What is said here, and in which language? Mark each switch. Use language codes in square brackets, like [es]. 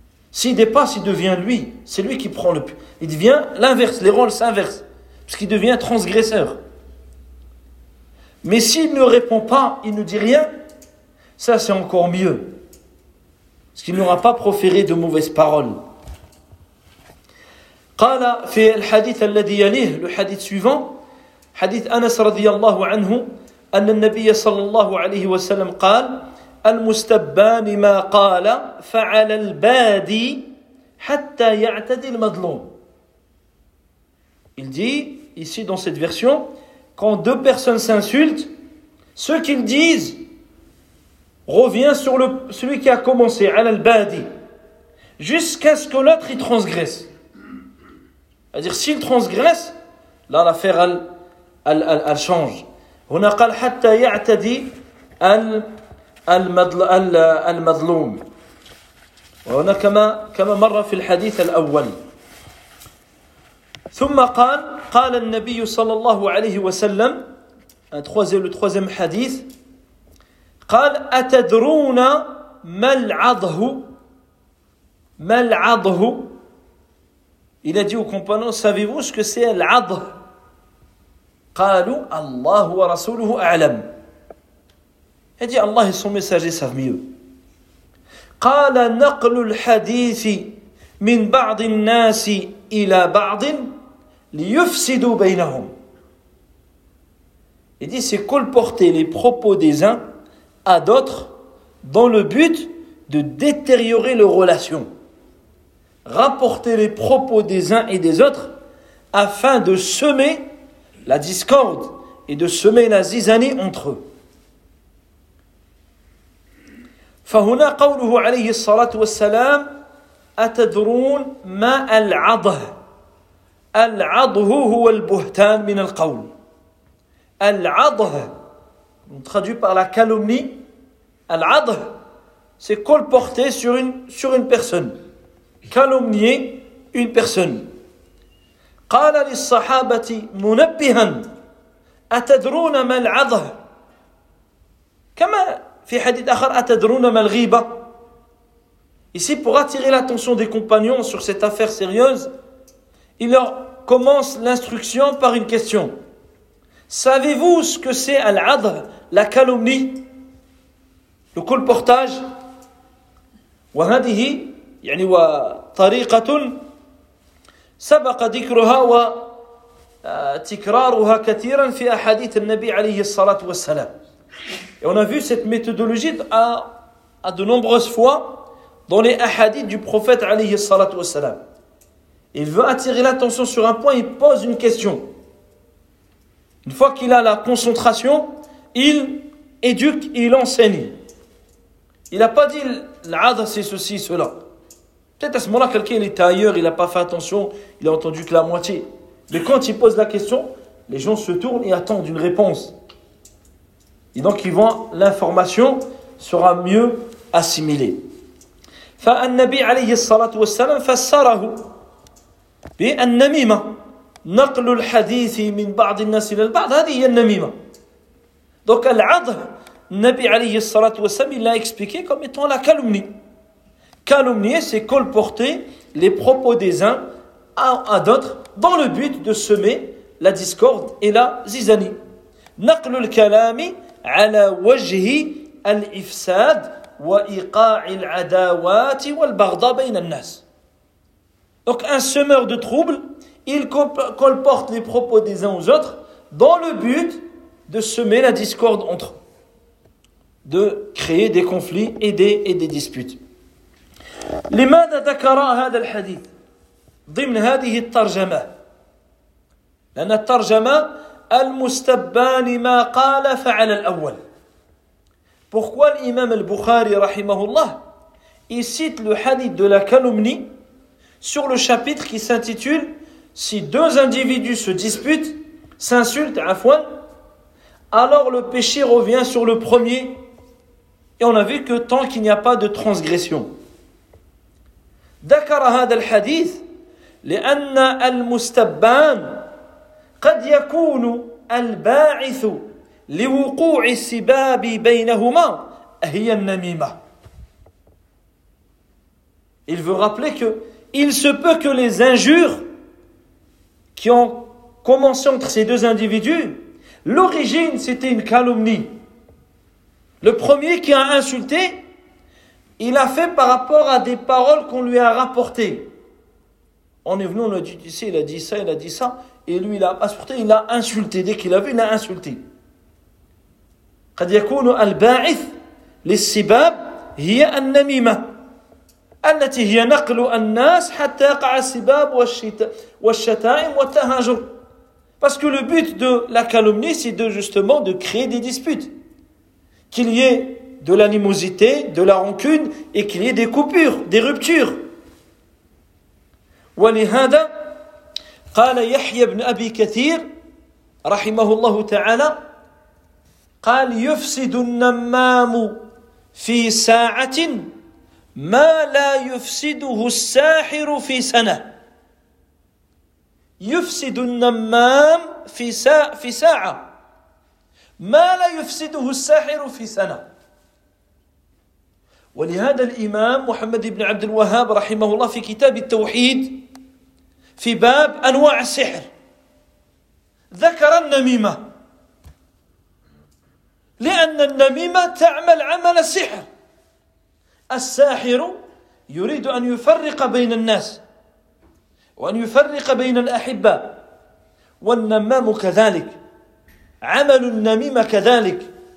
[fr] S'il dépasse, il devient lui. C'est lui qui prend le... Il devient l'inverse, les rôles s'inversent. Parce qu'il devient transgresseur. Mais s'il ne répond pas, il ne dit rien, ça c'est encore mieux. Parce qu'il n'aura pas proféré de mauvaises paroles. [ar] قال في الحديث الذي يليه [fr] le hadith suivant [ar] حديث أنس رضي الله عنه أن النبي صلى الله عليه وسلم قال المستبان ما قال فعل البادي حتى يعتدي المظلوم. [fr] Il dit ici dans cette version, quand deux personnes s'insultent, ce qu'ils disent revient sur celui qui a commencé, al-badi, jusqu'à ce que l'autre y transgresse. C'est-à-dire, s'il transgresse, là, l'affaire, elle change. On a dit, [ar] حتى يعتدي المظلوم. [fr] On a [ar] كما مر في الحديث الأول. ثم قال النبي صلى الله عليه وسلم, [fr] le troisième hadith, [ar] قال أتدرون ما العضه [fr] Il a dit aux compagnons, savez-vous ce que c'est Al-Adr? [ar] Qalu Allah wa Rasuluhu A'lam. [fr] Il dit Allah et son messager savent mieux. [ar] قال نقل الحديث من بعض الناس إلى بعض ليفسدوا بينهم. [fr] Il dit c'est colporter les propos des uns à d'autres dans le but de détériorer leurs relations. Rapporter les propos des uns et des autres afin de semer la discorde et de semer la zizanie entre eux. [ar] فهنا قوله عليه الصلاة والسلام أتدرون ما العضه العضه هو البهتان من القول العضه [fr] traduit par la calomnie [ar] العضه [fr] c'est colporter sur une personne [ar] calomnier une personne قال للصحابة منبها أتدرون ما العضه كما في حديث آخر أتدرون ما الغيبة. [fr] Ici, pour attirer l'attention des compagnons sur cette affaire sérieuse, il leur commence l'instruction par une question. Savez-vous ce que c'est Al-Adr, la calomnie, le colportage? [ar] وهذه يعني وطريقة سبق ذكرها وتكرارها كثيرا في أحاديث النبي عليه الصلاة والسلام. [fr] Et on a vu cette méthodologie à de nombreuses fois dans les hadiths du prophète [ar] alayhi salatu wassalam. [fr] Il veut attirer l'attention sur un point, il pose une question. Une fois qu'il a la concentration, il éduque, il enseigne. Il n'a pas dit l'adha c'est ceci, cela. Peut-être à ce moment-là, quelqu'un il était ailleurs, il n'a pas fait attention, il n'a entendu que la moitié. Mais quand il pose la question, les gens se tournent et attendent une réponse. Et donc ils vont, l'information sera mieux assimilée. [ar] فالنبي عليه الصلاة والسلام فسره بالنميمة نقل الحديث من بعض الناس إلى البعض هذه هي النميمة. [fr] Donc [ar] العضه النبي عليه الصلاة والسلام [fr] il l'a expliqué comme étant la calomnie. Calomnier c'est colporter les propos des uns à d'autres dans le but de semer la discorde et la zizanie. [ar] نقل الكلام على وجه الإفساد وإيقاع العداوات والبغضاء بين الناس. [fr] Donc un semeur de troubles, il colporte les propos des uns aux autres dans le but de semer la discorde entre eux, de créer des conflits et des disputes. [ar] لماذا ذكر هذا الحديث ضمن هذه الترجمة؟ لأن الترجمة المستبان ما قال فعل الأول. [fr] Pourquoi l'imam al-Bukhari rahimahullah il cite le hadith de la calomnie sur le chapitre qui s'intitule si deux individus se disputent s'insultent à fois alors le péché revient sur le premier et on a vu que tant qu'il n'y a pas de transgression. [ar] ذكر هذا الحديث لأن المستبان قد يكون الباعث لوقوع السباب بينهما هي النميمة. [fr] Il veut rappeler que il se peut que les injures qui ont commencé entre ces deux individus, l'origine c'était une calomnie. Le premier qui a insulté, il a fait par rapport à des paroles qu'on lui a rapportées. On est venu, on a dit tu sais, il a dit ça. Et lui, il a insulté, dès qu'il a vu, il a insulté. [ar] قد يكون الباعث للسباب هي النميمة التي هي نقل الناس حتى يقع السباب والشتائم والتهاجر. [fr] Parce que le but de la calomnie, c'est de justement de créer des disputes, qu'il y ait de l'animosité, de la rancune, et qu'il y ait des coupures, des ruptures. [ar] ولهذا قال يحيى بن أبي كثير رحمه الله تعالى قال يفسد النمام في ساعة ما لا يفسده الساحر في سنة. يفسد النمام في ساعة ما لا يفسده الساحر في سنة. ولهذا الإمام محمد بن عبد الوهاب رحمه الله في كتاب التوحيد في باب أنواع السحر ذكر النميمة لأن النميمة تعمل عمل السحر الساحر يريد أن يفرق بين الناس وأن يفرق بين الأحباء والنمام كذلك عمل النميمة كذلك